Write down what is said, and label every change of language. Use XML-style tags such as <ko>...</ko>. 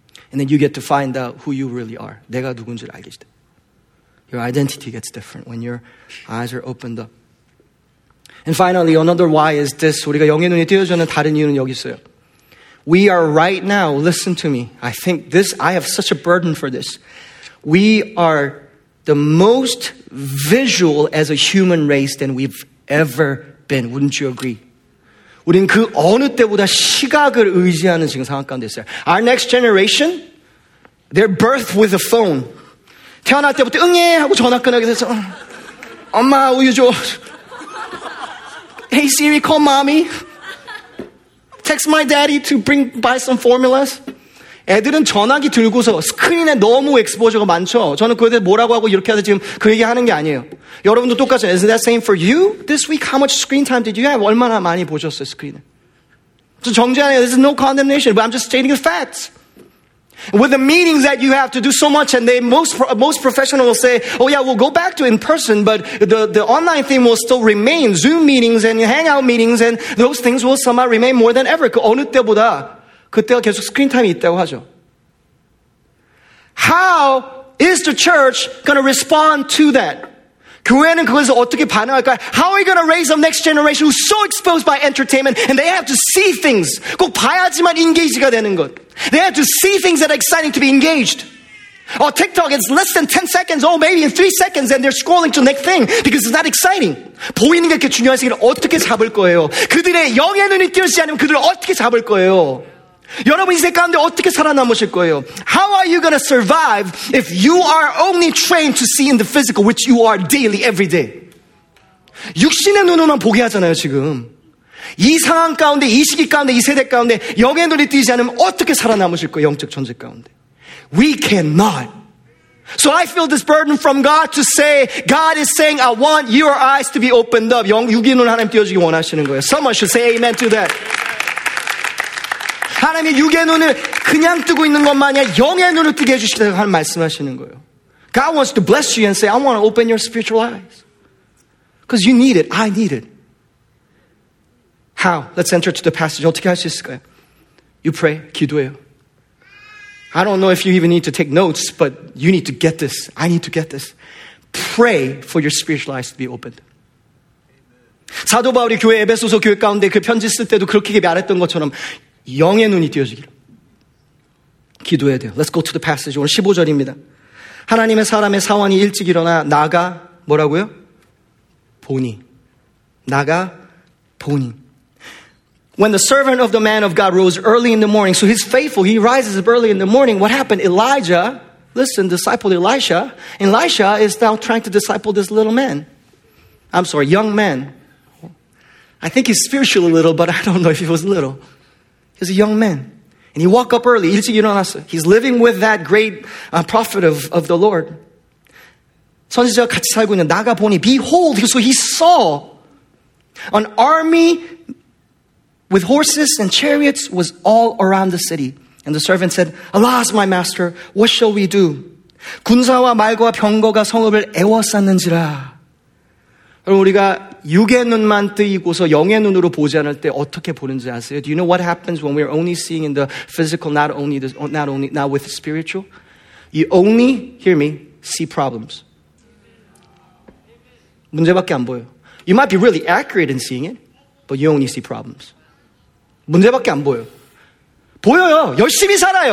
<en>And then you get to find out who you really are.</en> <ko>내가 누군지를 알게 돼.</ko> <en>Your identity gets different when your eyes are opened up. And finally, another why is this.</en> <ko>우리가 영의 눈이 띄워주는 다른 이유는 여기 있어요.</ko> <en>We are right now, listen to me. I think this, I have such a burden for this. We are the most visual as a human race than we've ever been. Wouldn't you agree?</en> <ko>우린 그 어느 때보다 시각을 의지하는 지금 상황 가운데 있어요.</ko> <en>Our next generation, they're birthed with a phone.</en> <ko>태어날 때부터 응예 하고 전화 끊어게 돼서 엄마 우유 줘.</ko> <en>Hey Siri, call mommy. Text my daddy to buy some formulas.</en> <ko>애들은 전화기 들고서 스크린에 너무 엑스포저가 많죠. 저는 그에 대해 뭐라고 하고 이렇게 해서 지금 그 얘기 하는 게 아니에요. 여러분도 똑같죠.</ko> <en>Is that same for you? This week, how much screen time did you have?</en> <ko>얼마나 많이 보셨어요, 스크린에. 저 정죄하네요.</ko> <en>This is no condemnation, but I'm just stating the facts. With the meetings that you have to do so much, and they most professionals will say, oh yeah, we'll go back to in person, but the online thing will still remain. Zoom meetings and hangout meetings and those things will somehow remain more than ever.</en> <ko>그 어느 때보다 그때가 계속 스크린 타임이 있다고 하죠.</ko> <en>How is the church going to respond to that?</en> <ko>교회는 그것을 어떻게 반응할까요?</ko> <en>How are we going to raise up next generation who's so exposed by entertainment and they have to see things.</en> <ko>꼭 봐야지만 engaged가 되는 것.</ko> <en>They have to see things that are exciting to be engaged. Oh, TikTok, it's less than 10 seconds. Oh, maybe in 3 seconds and they're scrolling to the next thing because it's not exciting.</en> <ko>보이는 게 중요하신 걸 어떻게 잡을 거예요? 그들의 영의 눈이 띄어지지 않으면 그들을 어떻게 잡을 거예요? 여러분 이 세 가운데 어떻게 살아남으실 거예요?</ko> <en>How are you going to survive if you are only trained to see in the physical, which you are daily, every day?</en> <ko>육신의 눈으로만 보게 하잖아요, 지금. 이 상황 가운데, 이 시기 가운데, 이 세대 가운데 영의 눈이 뜨지 않으면 어떻게 살아남으실 거예요, 영적 존재 가운데?</ko> <en>We cannot. So I feel this burden from God to say, God is saying, I want your eyes to be opened up.</en> <ko>육인원 하나님 띄워주기 원하시는 거예요.</ko> <en>Someone should say amen to that.</en> <ko>하나님이 육의 눈을 그냥 뜨고 있는 것만이 아니라 영의 눈을 뜨게 해주시겠다고 하는 말씀하시는 거예요.</ko> <en>God wants to bless you and say, I want to open your spiritual eyes. Because you need it. I need it. How? Let's enter to the passage.</en> <ko>어떻게 할 수 있을까요?</ko> <en>You pray.</en> <ko>기도해요.</ko> <en>I don't know if you even need to take notes, but you need to get this. I need to get this. Pray for your spiritual eyes to be opened.</en> <ko>사도 바울이 교회 에베소서 교회 가운데 그 편지 쓸 때도 그렇게 말했던 것처럼 영의 눈이 띄어지기를 기도해야 돼요.</ko> <en>Let's go to the passage.</en> <ko>오늘 15절입니다. 하나님의 사람의 사원이 일찍 일어나 나가 뭐라고요? 보니. 나가 보니.</ko> <en>When the servant of the man of God rose early in the morning, so he's faithful, he rises up early in the morning, what happened? Elijah, listen, discipled Elisha, and Elisha is now trying to disciple this little man. I'm sorry, young man. I think he's spiritual a little, but I don't know if he was little. He's a young man. And he woke up early. He's living with that great prophet of the Lord.</en> <ko>선지자와 같이 살고 있는 나가 보니,</ko> <en>behold, so he saw an army with horses and chariots was all around the city. And the servant said, Alas, my master, what shall we do?</en> <ko>군사와 말과 병거가 성읍을 에워쌌는지라. 그럼 우리가 육의 눈만 뜨이고서 영의 눈으로 보지 않을 때 어떻게 보는지 아세요?</ko> <en>Do you know what happens when we are only seeing in the physical, not with the spiritual? You only, hear me, see problems.</en> <ko>문제밖에 안 보여.</ko> <en>You might be really accurate in seeing it, but you only see problems.</en> <ko>문제밖에 안 보여. 보여요. 열심히 살아요.</ko>